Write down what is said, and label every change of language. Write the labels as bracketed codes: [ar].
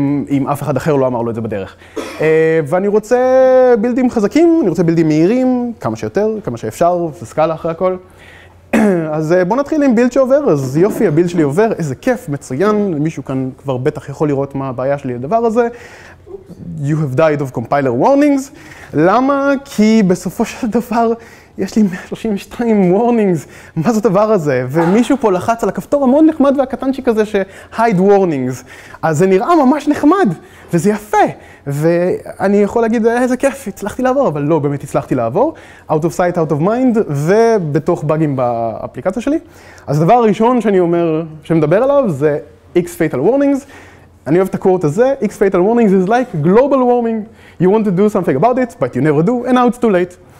[he] אם אף אחד אחר לא אמר לו את זה בדרך. ואני רוצה בילדים חזקים, אני רוצה בילדים מהירים, כמה שיותר, כמה שאפשר, זה סקאלה אחרי הכל. אז בוא נתחיל עם בילד שעובר, אז יופי, הבילד שלי עובר, איזה כיף, מצוין, מישהו כאן כבר בטח יכול לראות מה הבעיה שלי לדבר הזה. [en] You have died of compiler warnings. [he] למה? כי בסופו של דבר יש לי 132 warnings. מה זה הדבר הזה? ומישהו פה לחץ על הכפתור המאוד נחמד והקטנצ'י כזה ש-hide warnings. אז זה נראה ממש נחמד, וזה יפה. ואני יכול להגיד, איזה כיף, הצלחתי לעבור, אבל לא, באמת הצלחתי לעבור. [en] Out of sight, out of mind, [he] ובתוך בגים באפליקציה שלי. אז הדבר הראשון שאני אומר, שמדבר עליו, זה X fatal warnings. אני אוהב את הקורט הזה, [en] X fatal warnings is like global warming. You want to do something about it, but you never do, and now it's too late.